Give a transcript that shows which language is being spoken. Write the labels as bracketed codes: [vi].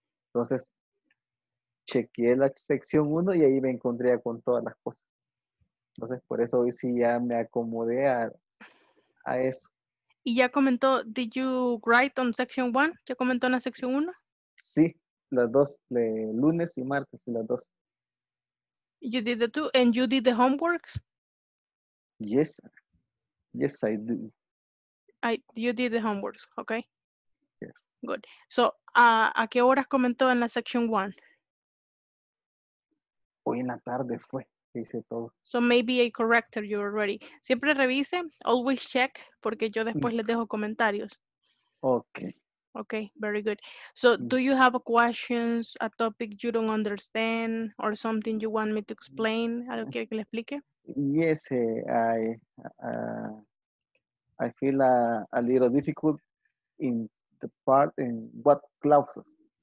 [es] Entonces, chequeé la sección 1 y ahí me encontré con todas las cosas. Entonces, por eso hoy sí ya me acomodé a eso. Y ya comentó, [en] did you write on section 1? [es] ¿Ya comentó en la sección 1? Sí, las dos, de lunes y martes, las dos. [en] You did the two, and you did the homeworks? Yes. Yes, I do. You did the homeworks, okay? Yes. Good. [es] So, ¿a qué horas comentó en la section 1? Hoy en la tarde fue, hice todo. [en] So, maybe I corrected you already. [es] Siempre revise, [en] always check, [es] porque yo después les dejo comentarios. [en] Okay. Okay, very good. So, do you have a questions, a topic you don't understand, or something you want me to explain? [es] ¿Algo quiere que le explique? [en] Yes, I feel a little difficult in the part in what clauses.